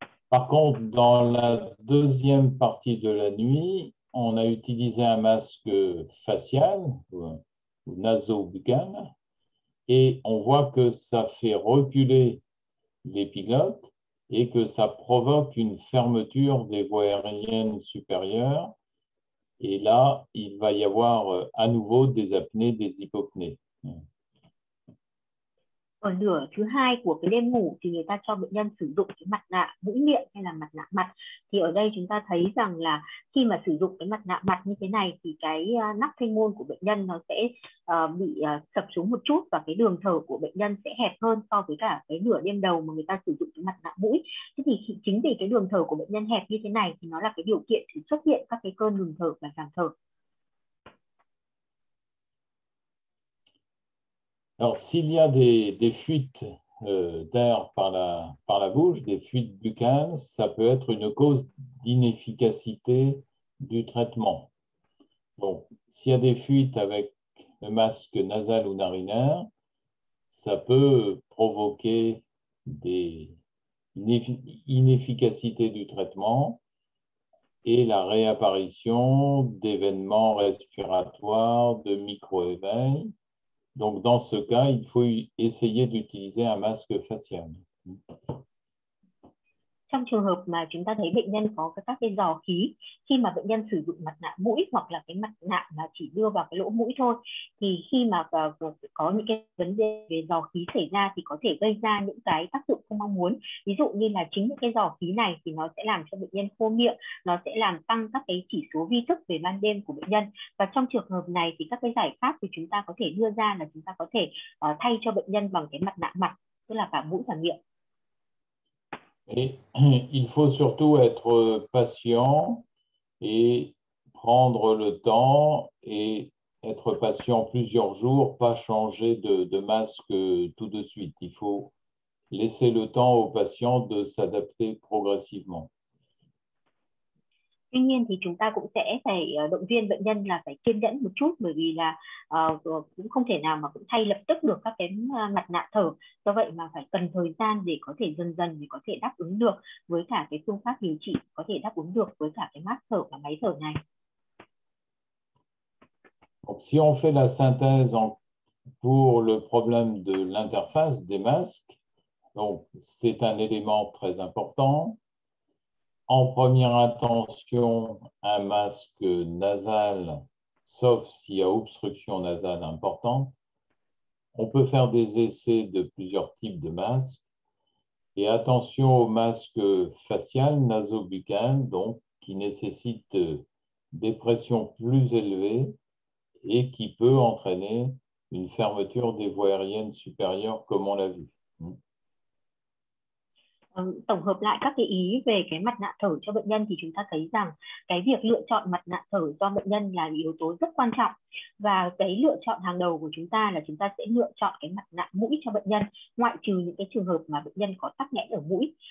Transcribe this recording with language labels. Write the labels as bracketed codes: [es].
[fr] Par contre, dans la deuxième partie de la nuit, on a utilisé un masque facial ou nasobuccal, et on voit que ça fait reculer l'épiglotte et que ça provoque une fermeture des voies aériennes supérieures. Et là, il va y avoir à nouveau des apnées, des hypopnées. [vi] Ở nửa thứ hai của cái đêm ngủ thì người ta cho bệnh nhân sử dụng cái mặt nạ mũi miệng hay là mặt nạ mặt. Thì ở đây chúng ta thấy rằng là khi mà sử dụng cái mặt nạ mặt như thế này thì cái nắp thanh môn của bệnh nhân nó sẽ bị sập xuống một chút, và cái đường thở của bệnh nhân sẽ hẹp hơn so với cả cái nửa đêm đầu mà người ta sử dụng cái mặt nạ mũi. Thế thì chính vì cái đường thở của bệnh nhân hẹp như thế này thì nó là cái điều kiện để xuất hiện các cái cơn ngừng thở và giảm thở. [fr] Alors, s'il y a des fuites d'air par la bouche, des fuites buccales, ça peut être une cause d'inefficacité du traitement. Donc, s'il y a des fuites avec le masque nasal ou narinaire, ça peut provoquer une inefficacité du traitement et la réapparition d'événements respiratoires, de micro-éveils. Donc, dans ce cas, il faut essayer d'utiliser un masque facial. [vi] Trong trường hợp mà chúng ta thấy bệnh nhân có các cái rò khí, khi mà bệnh nhân sử dụng mặt nạ mũi hoặc là cái mặt nạ mà chỉ đưa vào cái lỗ mũi thôi, thì khi mà có những cái vấn đề về rò khí xảy ra thì có thể gây ra những cái tác dụng không mong muốn. Ví dụ như là chính những cái rò khí này thì nó sẽ làm cho bệnh nhân khô miệng, nó sẽ làm tăng các cái chỉ số vi thức về ban đêm của bệnh nhân. Và trong trường hợp này thì các cái giải pháp thì chúng ta có thể đưa ra là chúng ta có thể thay cho bệnh nhân bằng cái mặt nạ mặt, tức là cả mũi và miệng. [fr] Et il faut surtout être patient et prendre le temps et être patient plusieurs jours, pas changer de masque tout de suite. Il faut laisser le temps au patient de s'adapter progressivement. [vi] Tuy nhiên thì chúng ta cũng sẽ phải động viên bệnh nhân là phải kiên nhẫn một chút, bởi vì là cũng không thể nào mà cũng thay lập tức được các cái mặt nạ thở. Do vậy mà phải cần thời gian để có thể dần dần để có thể đáp ứng được với cả cái phương pháp điều trị, có thể đáp ứng được với cả cái mask thở và máy thở này. [fr] Donc, si on fait la synthèse pour le problème de l'interface des masques, donc c'est un élément très important. En première intention, un masque nasal, sauf s'il y a obstruction nasale importante. On peut faire des essais de plusieurs types de masques. Et attention au masque facial nasobuccal, donc qui nécessite des pressions plus élevées et qui peut entraîner une fermeture des voies aériennes supérieures, comme on l'a vu. [vi] Tổng hợp lại các cái ý về cái mặt nạ thở cho bệnh nhân thì chúng ta thấy rằng cái việc lựa chọn mặt nạ thở cho bệnh nhân là yếu tố rất quan trọng, và cái lựa chọn hàng đầu của chúng ta là chúng ta sẽ lựa chọn cái mặt nạ mũi cho bệnh nhân, ngoại trừ những cái trường hợp mà bệnh nhân có tắc nghẽn ở mũi.